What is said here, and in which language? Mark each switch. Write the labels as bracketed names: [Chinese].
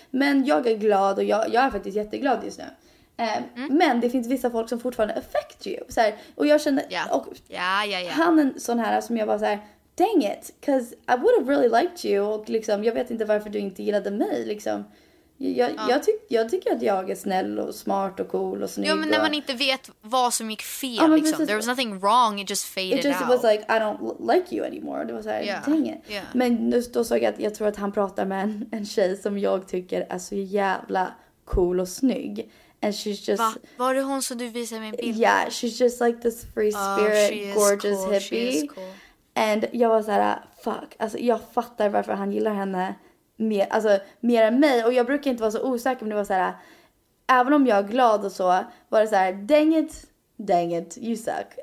[Swedish] Men jag är glad och jag är faktiskt jätteglad just nu. Men det finns vissa folk som fortfarande [English] affect you [Swedish] så här, och jag känner han en sån här som jag bara såhär [English] dang it, cause I would have really liked you, [Swedish] och liksom jag vet inte varför du inte gillade mig, liksom jag tycker att jag är snäll och smart och cool och snygg. Ja, men när man inte vet vad som gick fel, liksom, precis, [English] there was nothing wrong, it just faded out, it just out. Was like I don't like you anymore, [Swedish] det var såhär [English] dang it. [Swedish] Men då såg jag att jag tror att han pratar med en tjej som jag tycker är så jävla cool och snygg. [English] And she's just... [Swedish] Var det hon som du visade mig en bild? [English] Yeah, she's just like this free spirit, gorgeous cool, hippie. Cool. [Swedish] And jag var såhär, fuck. Alltså, jag fattar varför han gillar henne mer, alltså, mer än mig. Och jag brukar inte vara så osäker, men det var så här, även om jag är glad och så, var det så här, [English] dang it, you suck.